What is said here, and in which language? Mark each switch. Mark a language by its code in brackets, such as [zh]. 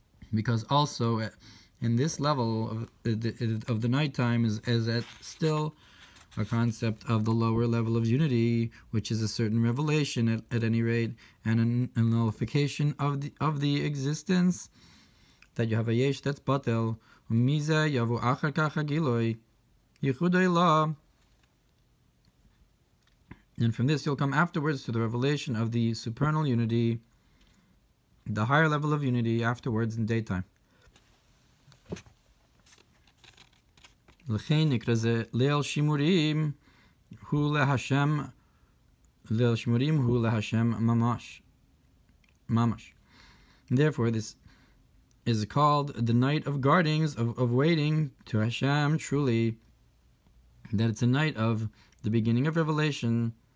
[en] because also in this level of the night time is at still a concept of the lower level of unity, which is a certain revelation at any rate, and an nullification of the existence, that you have a yesh that's batel, [he] umiza yavu achar kach hagiloi yichudei la, [en] and from this you'll come afterwards to the revelation of the supernal unity, the higher level of unity, afterwards in daytime. [he] לכן נקרא זה ליל שימורים הוא להשם, ליל שימורים הוא להשם ממש. [en] Therefore, this is called the night of guardings, of waiting to Hashem, truly, that it's a night of the beginning of revelation.